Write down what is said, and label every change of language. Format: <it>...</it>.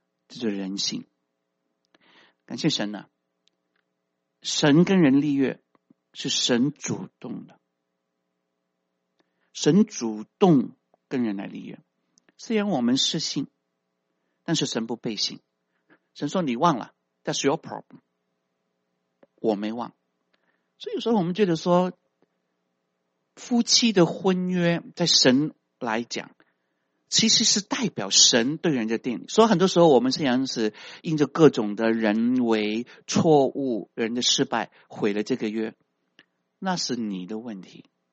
<zh>这就是人性。感谢神呢、啊，神跟人立约是神主动的，神主动跟人来立约。虽然我们失信，但是神不背信。神说你忘了 ，</zh> <en>That's your problem。</en> <zh>我没忘。所以有时候我们觉得说，夫妻的婚约在神来讲，其实是代表神对人的定义。所以很多时候我们虽然是因着各种的人为错误、人的失败毁了这个约，那是你的问题。</zh>